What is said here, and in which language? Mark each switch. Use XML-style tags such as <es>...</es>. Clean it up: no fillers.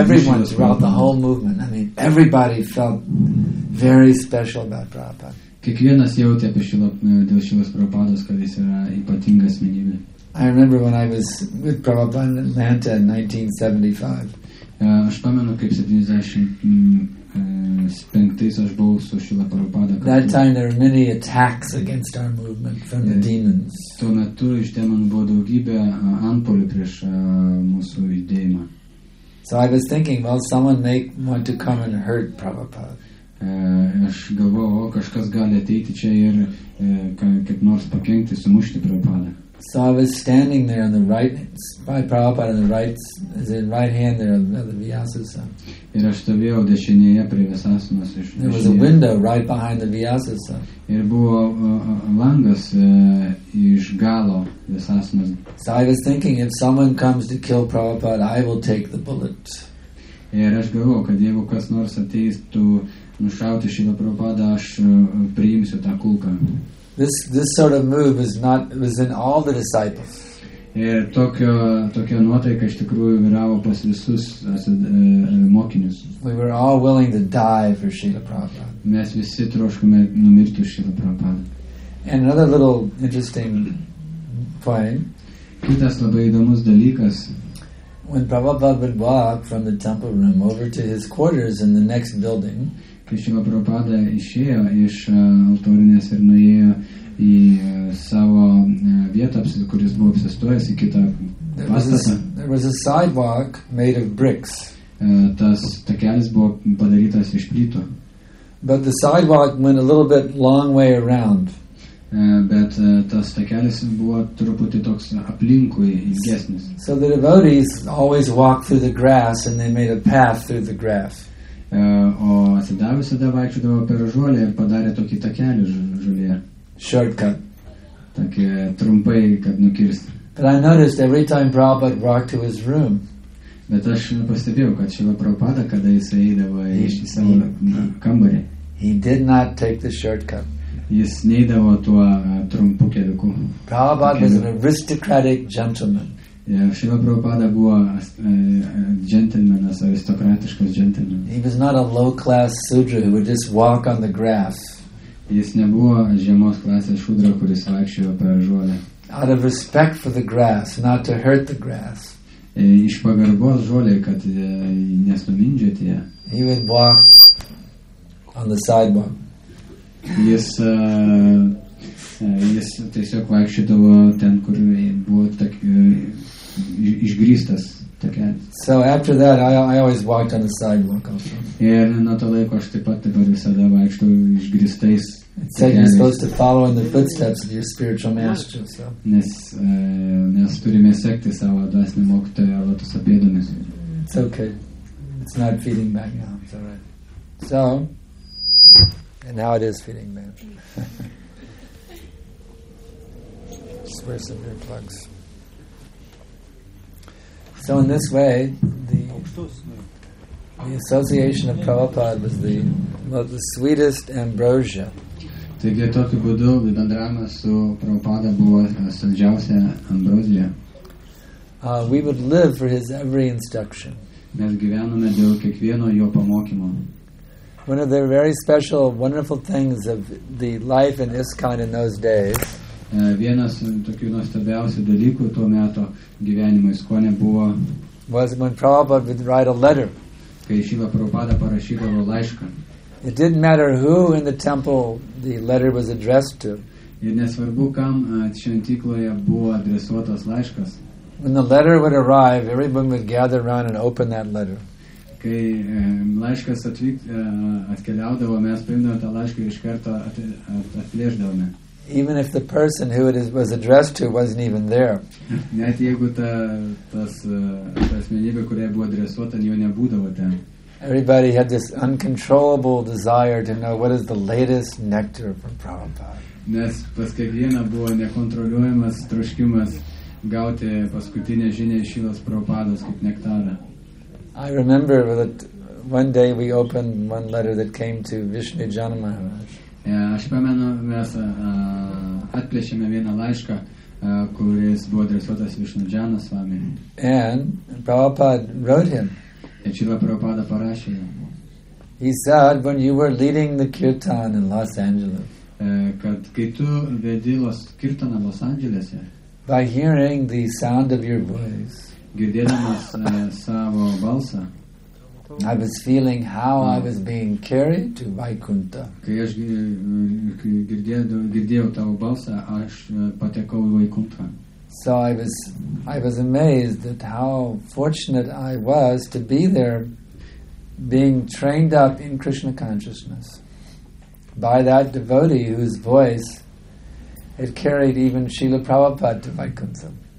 <en>Everyone throughout the whole movement, I mean, everybody felt very special about Prabhupada.</en> <lt>Kiekvienas jautė apie Šilo, dėl Šilos Prabhupados, kad jis yra ypatinga asmenybė.</lt> <en>I remember when I was with Prabhupada in Atlanta in 1975.</en> <lt>Aš pamenu, kaip 75 aš buvau su Šilo Prabhupada.</lt> <en>That time there were many attacks against our movement from the demons.</en> <lt>Tuo metu iš demonų buvo daugybė antpolių prieš mūsų judėjimą.</lt> <en>So I was thinking, well, someone may want to come and hurt Prabhupada.</en> <lt>Aš galvojau, o kažkas gali ateiti čia ir kaip nors pakenkti, sumušti Prabhupada.</lt> <en>So I was standing there on the right, by Prabhupada on the right, is in right hand there on the Vyasasa.</en> <lt>Ir aš stovėjau dešinėje prie Vyasasanos.</lt> <en>There was a window right behind the Vyasasa.</en> <lt>Ir buvo langas iš galo Vyasasanos.</lt> <en>So I was thinking, if someone comes to kill Prabhupada, I will take the bullet.</en> <lt>Ir aš galvojau, kad jeigu kas nors ateistų nušauti Šilą Prabhupadą, aš priimsiu tą kulką.</lt> <en>This sort of move was in all the disciples.</en> <lt>Ir tokio nuotaika iš tikrųjų vyravo pas visus mokinius.</lt> <en>We were all willing to die for Šilą Prabhupadą.</en> <lt>Mes visi troškome numirti už Šilą Prabhupadą.</lt> <en>And another little interesting point.</en> <lt>Kitas labai įdomus dalykas.</lt> <en>When Prabhupada would walk from the temple room over to his quarters in the next building,</en> <lt>kai Šiva Prabhupada išėjo iš autorinės ir nuėjo į savo vietą, kuris buvo apsistojęs į kitą pastatą.</lt> <en>There was a sidewalk made of bricks.</en> <lt>Tas takelis buvo padarytas iš plytų.</lt> <en>But the sidewalk went a little bit long way around.</en> <lt>Bet tas takelis buvo truputį toks aplinkui ilgesnis.</lt> <en>So the devotees always walked through the grass and they made a path through the grass.</en> <lt>O atsidavęs tada vaikščiodavo per žolę ir padarė tokį takelį žolėje.</lt> <en>Shortcut.</en> <lt>Tokį trumpai, kad nukirsti.</lt> <en>But I noticed every time Prabhupada walked to his room.</en> <lt>Bet aš pastebėjau, kad Šila Prabhupada, kada jis eidavo į savo kambarį.</lt> <en>He did not take the shortcut.</en> <lt>Jis neidavo tuo trumpu keliuku.</lt> <en>Prabhupada was an aristocratic gentleman.</en> <lt>Šiva Prabhupada buvo džentelmenas, aristokratiškas džentelmenas.</lt> <en>He was not a low-class sudra who would just walk on the grass.</en> <lt>Jis nebuvo žemos klasės šudra, kuris vaikščiojo per žolę.</lt> <en>out of respect for the grass, not to hurt the grass.</en> <lt>Iš pagarbos žolei, kad nesumindžiate ją.</lt> <en>He would walk on the sidewalk.</en> <lt>Jis tiesiog vaikščiodavo ten, kur buvo išgrįstas.</lt> <en>So after that, I always walked on the sidewalk also.</en> <lt>Ir nuo to laiko aš taip pat dabar visada vaikštau išgrįstais.</lt> <en>It said you're supposed to follow in the footsteps of your spiritual master. So.</en> <lt>Nes turime sekti savo dvasinį mokytoją Lotuso pėdomis.</lt> <en>It's okay. It's not feeding back now. It's all right. So, and now it is feeding back. Just wear some ear plugs. So in this way, the association of Prabhupada was the sweetest ambrosia.</en> <lt>Taigi tokiu būdu bendravimas su Prabhupada buvo saldžiausia ambrozija.</lt> <en>We would live for his every instruction.</en> <lt>Mes gyvenome dėl kiekvieno jo pamokymo.</lt> <en>One of the very special, wonderful things of the life in ISKCON in those days.</en> <lt>Vienas tokių nuostabiausių dalykų tuo metu gyvenimo ISKCONe buvo.</lt> <en>Was when Prabhupada would write a letter.</en> <lt>Kai Šila Prabhupada parašydavo laišką.</lt> <en>It didn't matter who in the temple the letter was addressed to.</en> <lt>Ir nesvarbu, kam šventykloje buvo adresuotas laiškas.</lt> <en>When the letter would arrive, everyone would gather around and open that letter.</en> <lt>Kai laiškas atkeliaudavo, mes paimdavome tą laišką ir iš karto atplėždavome.</lt> <en>Even if the person who it was addressed to wasn't even there.</en> <lt>Net jeigu ta asmenybė, kuriai buvo adresuota, jo nebūdavo ten.</lt> <en>Everybody had this uncontrollable desire to know what is the latest nectar from Prabhupada.</en> <lt>Nes pas kiekvieną buvo nekontroliuojamas troškimas gauti paskutinę žinią iš Šilos Prabhupados kaip nektarą.</lt> <en>I remember that one day we opened one letter that came to Vishnu Jana Maharaj.</en> <lt>Aš pamenu, mes atplėšėme vieną laišką, kuris buvo adresuotas Vishnu Jana Swami.</lt> <en>And Prabhupada wrote him. He said, when you were leading the kirtan in Los Angeles,</en> <lt>kad kai tu vedi kirtaną Los Angelese,</lt> <en>by hearing the sound of your voice,</en> <lt>girdėdamas savo balsą,</lt> <en>I was feeling how I was being carried to Vaikuntha.</en> <lt>Kai aš girdėjau tavo balsą, aš patekau į Vaikuntha.</lt> <en>So I was amazed at how fortunate I was to be there being trained up in Krishna consciousness by that devotee whose voice had carried even Srila Prabhupada to Vaikuntha.</en>